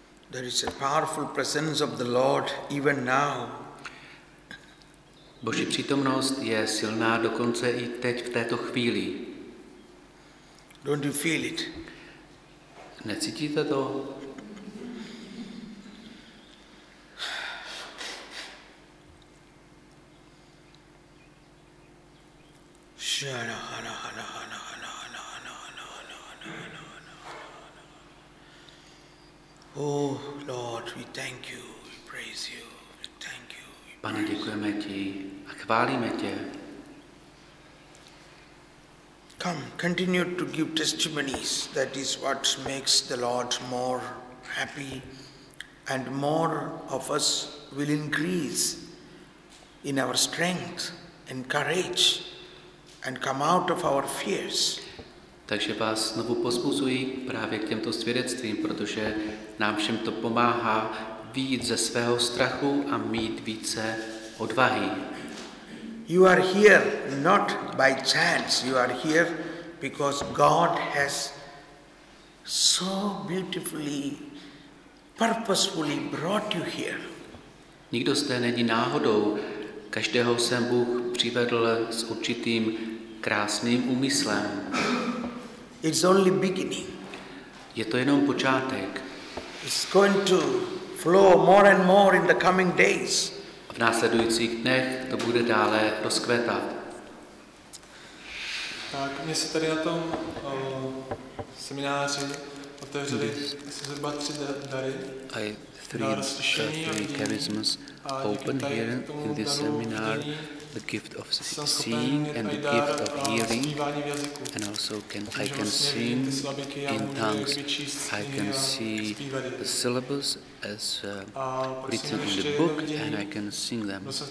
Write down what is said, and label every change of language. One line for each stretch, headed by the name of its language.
English: There is a powerful presence of the Lord even now.
Czech: Boží přítomnost je silná dokonce i teď v této chvíli.
English: Don't you feel it?
Czech: Necítíte to? Shana, hana, hana, hana, hana, hana, hana.
English: Oh Lord, we thank you, we praise you, we thank you.
Czech: Pane, děkujeme ti a chválíme tě.
English: Come, continue to give testimonies. That is what makes the Lord more happy, and more of us will increase in our strength and courage and come out of our fears.
Czech: Takže vás znovu pozbuzuji právě k těmto svědectvím, protože nám všem to pomáhá vyjít ze svého strachu a mít více odvahy.
English: You are here not by chance, you are here because God has so beautifully, purposefully brought you here.
Czech: Nikdo zde není náhodou, každého jsem Bůh přivedl s určitým krásným úmyslem.
English: It's only beginning.
Czech: Je to jenom počátek.
English: It's going to flow more and more in the coming days.
Czech: V následujících dnech to bude dále rozkvétat. Tak, mě se tady na tom semináři otevřeli asi zhruba tři dary.
English: I three charisms open here in this seminar. The gift of seeing and the gift of hearing, and also I can sing in tongues. I can see the syllables as written in the book, and I can sing them.